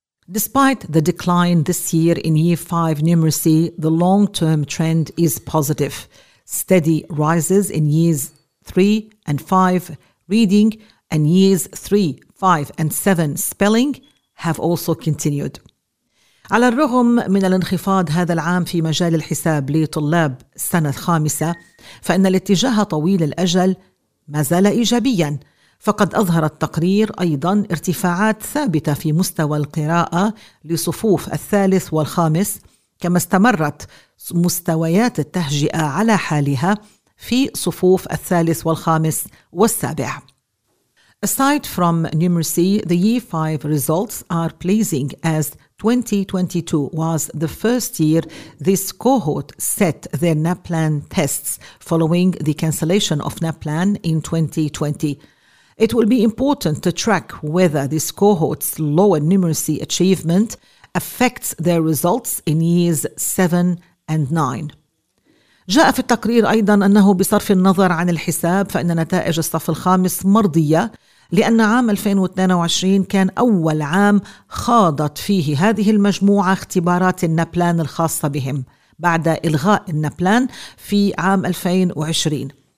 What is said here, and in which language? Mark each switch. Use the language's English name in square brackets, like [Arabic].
[English] Despite the decline this year in year 5 numeracy, the long-term trend is positive. Steady rises in years 3 and 5 reading and years 3, 5 and 7 spelling have also continued. [Arabic] على الرغم من الانخفاض هذا العام في مجال الحساب لطلاب السنة الخامسة فإن الاتجاه طويل الأجل ما زال إيجابيا فقد أظهر التقرير أيضا ارتفاعات ثابتة في مستوى القراءة لصفوف الثالث والخامس كما استمرت مستويات التهجئة على حالها في صفوف الثالث والخامس والسابع. [English] Aside from numeracy, the Year 5 results are pleasing as 2022 was the first year this cohort set their NAPLAN tests following the cancellation of NAPLAN in 2020. It will be important to track whether this cohort's lower numeracy achievement affects their results in years 7 and 9. [Arabic] جاء في التقرير أيضا أنه بصرف النظر عن الحساب فإن نتائج الصف الخامس مرضية لأن عام 2022 كان أول عام خاضت فيه هذه المجموعة اختبارات النابلان الخاصة بهم بعد إلغاء النابلان في عام 2020.